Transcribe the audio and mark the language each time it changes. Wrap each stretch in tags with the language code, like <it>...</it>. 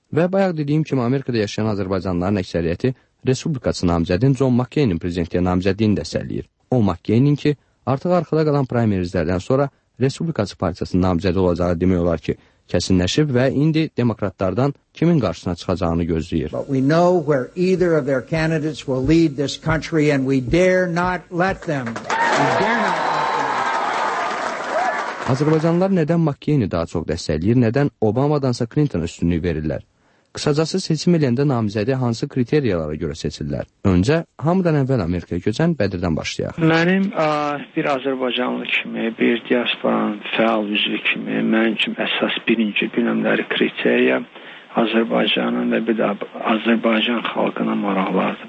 <az>Və bayaq dediyim kimi Amerikada yaşayan Azərbaycanlıların əksəriyyəti Respublikaçı namizədin John McCain'in prezidentliyə namizədini dəstəkləyir. O McCain'in ki, artıq arxada qalan primerizlərdən sonra Respublikaçı partiyasının namizədi olacağı demək olar ki, kəsinləşib və indi demokratlardan kimin qarşısına çıxacağını gözləyir.</az> <en>But we know where either of their candidates will lead this country and we dare not let them.</en> <az>Azərbaycanlılar nədən McCain'i daha çox dəstəkləyir, nədən Obamadansa Clinton üstünlüyü verirlər? Qısacası seçim eləndə namizədi hansı kriteriyalara görə seçirlər? Öncə, hamıdan əvvəl Amerikaya köçən Bədirdən başlayaq. Mənim bir Azərbaycanlı kimi, bir diasporan fəal üzvü kimi, mənim üçün əsas birinci günəmləri kriteriya Azərbaycanın və bir də Azərbaycan xalqına maraqlardır.</az>